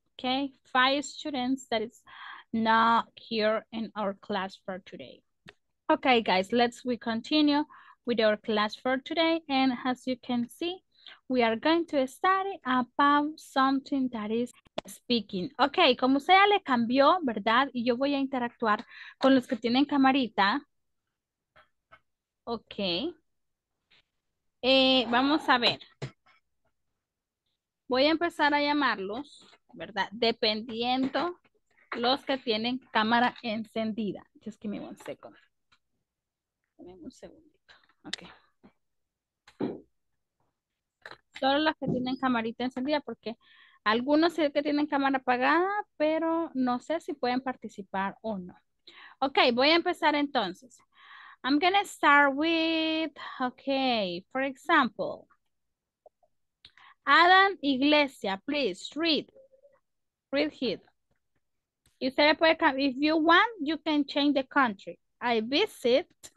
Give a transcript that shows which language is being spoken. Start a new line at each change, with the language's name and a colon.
English: Ok, 5 students that is not here in our class for today. Ok, guys, we continue with our class for today. And as you can see, we are going to study about something that is speaking.
Spanish: Ok, como usted ya le cambió, ¿verdad? Y yo voy a interactuar con los que tienen camarita. Ok. Vamos a ver. Voy a empezar a llamarlos, ¿verdad? Dependiendo los que tienen cámara encendida.
English: Just give me one second.
Spanish: Dame un segundito. Ok. Solo los que tienen camarita encendida, porque algunos sí que tienen cámara apagada, pero no sé si pueden participar o no. Ok, voy a empezar entonces.
English: I'm going to start with, ok, for example, Adam Iglesia, please read. Read here.
Spanish: Usted puede,
English: if you want, you can change the country. I visit.